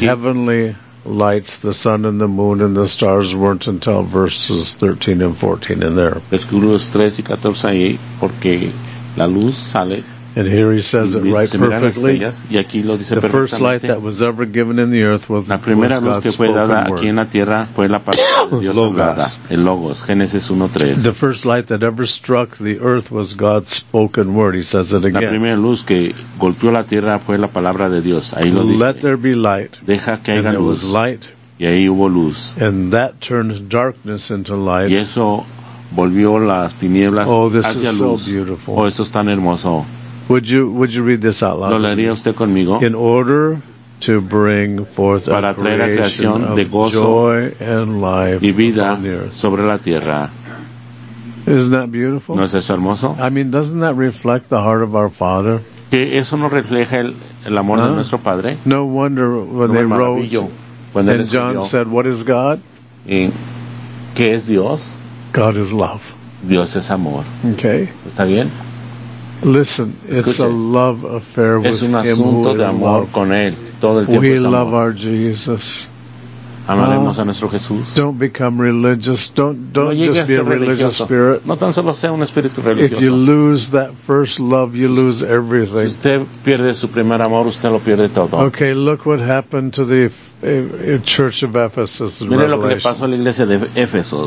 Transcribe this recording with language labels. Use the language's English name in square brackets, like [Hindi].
[English] heavenly lights, the sun and the moon and the stars weren't until verses 13 and 14 in there. [Spanish] Versículos 3 y 14 ahí, porque la luz sale. [English] And here he says it right perfectly. [Spanish] Y aquí lo dice [English] the first light that was ever given in the earth was [Spanish] la primera [English] was [Spanish] luz que fue dada aquí en la tierra fue la palabra de Dios hablada, el logos, Génesis 1:3. [English] The first light that ever struck the earth was God's spoken word. He says it again. [Spanish] La primera luz que golpeó la tierra fue la palabra de Dios. Ahí lo dice. [English] Let there be light. [Spanish] Deja que haya [English] and [Spanish] luz. [English] There was light. [Spanish] Y ahí hubo luz. [English] And that turned darkness into light. [Spanish] Y eso volvió las tinieblas [English] oh, this [Spanish] hacia [English] is [Spanish] luz. [English] So beautiful. [Spanish] Oh, esto es tan hermoso. [English] Would you read this out loud? [Spanish] ¿Lo leería usted conmigo? [English] In order to bring forth [Spanish] para [English] a creation [Spanish] la creación [English] of [Spanish] de gozo [English] joy and life [Spanish] y vida [English] on the earth. [Spanish] Sobre la tierra. [English] Isn't that beautiful? [Spanish] ¿No es eso hermoso? [English] I mean, doesn't that reflect the heart of our Father? [Spanish] ¿Que eso no refleja el amor de nuestro Padre? [English] No wonder when [Spanish] no [English] they wrote, when and John [Spanish] escribió, [English] said, what is God? [Spanish] ¿Qué es Dios? [English] God is love. [Spanish] Dios es amor. [English] Okay. [Spanish] ¿Está bien? [English] Listen, it's [Spanish] escuche, [English] a love affair with [Spanish] es un asunto [English] him who is [Spanish] de amor [English] love. [Spanish] Con él, todo el [English] we [Spanish] es amor. [English] Love our Jesus. [Spanish] Amaremos a nuestro Jesús. [English] Don't become religious. Don't [Spanish] no [English] just be a religious spirit. [Spanish] No tan solo sea un espíritu religioso. [English] If you lose that first love, you lose everything. [Spanish] Si usted pierde su primer amor, usted lo pierde todo. [English] Okay, look what happened to the Church of Ephesus. [Spanish] Mire lo que le pasó a la iglesia de Éfeso.